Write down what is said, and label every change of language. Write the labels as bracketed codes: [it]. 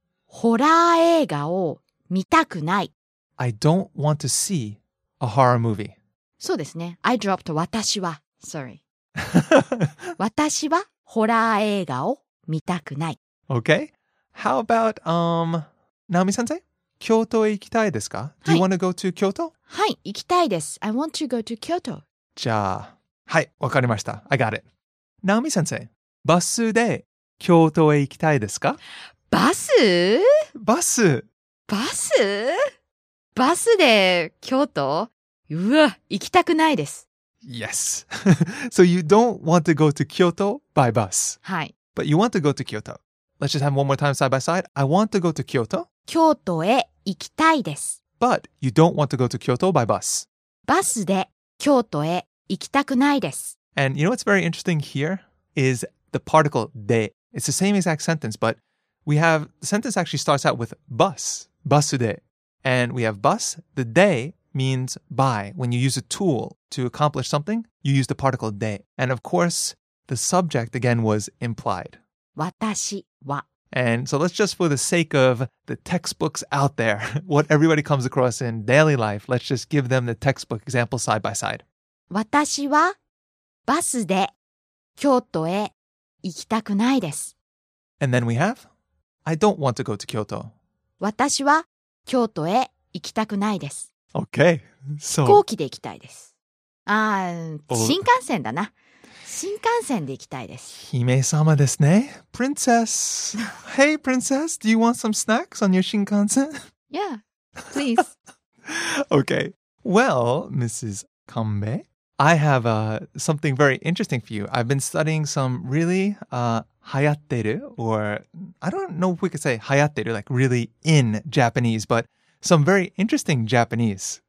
[ja] ホラー映画を見たくない。 [en] I don't want to see a horror movie. [ja] そうですね。 [en] I dropped 私は。Sorry. [ja] 私はホラー映画を見たくない。 [en] Okay. How about, Naomi-sensei? [ja] 京都へ行きたいですか? [en] Do you want to go to Kyoto? [ja] はい、行きたいです。 [en] I want to go to Kyoto. [ja] じゃあ、はい、わかりました。 [en] I got it. Naomi-sensei, [ja] バスで京都へ行きたいですか? バス? バス。バス?バスで京都? うわ、行きたくないです。 [en] Yes. So you don't want to go to Kyoto by bus. [ja] はい。 [en] But you want to go to Kyoto. Let's just have one more time side by side. I want to go to Kyoto. [ja] 京都へ行きたいです。 [en] But you don't want to go to Kyoto by bus. [ja] バスで京都へ行きたくないです。 [en] And you know what's very interesting here is the particle で. It's the same exact sentence, but we have, the sentence actually starts out with bus. Basude. And we have bus. The de means by. When you use a tool to accomplish something, you use the particle de. And of course, the subject again was implied. [ja] 私は. [en] And so let's just, for the sake of the textbooks out there, what everybody comes across in daily life, let's just give them the textbook example side by side. [ja] 私はバスで京都へ行きたくないです。 [en] And then we have, I don't want to go to Kyoto. [ja] 私は京都へ行きたくないです。 [en] Okay, so... [ja] 飛行機で行きたいです。あー、新幹線だな。新幹線で行きたいです。姫様ですね。 [en] Princess! Hey, princess! Do you want some snacks on your 新幹線? Yeah, please. Okay, well, Mrs. Kambe, I have something very interesting for you. I've been studying some really... Hayatteru, or I don't know if we could say hayatteru, like really in Japanese, but some very interesting Japanese.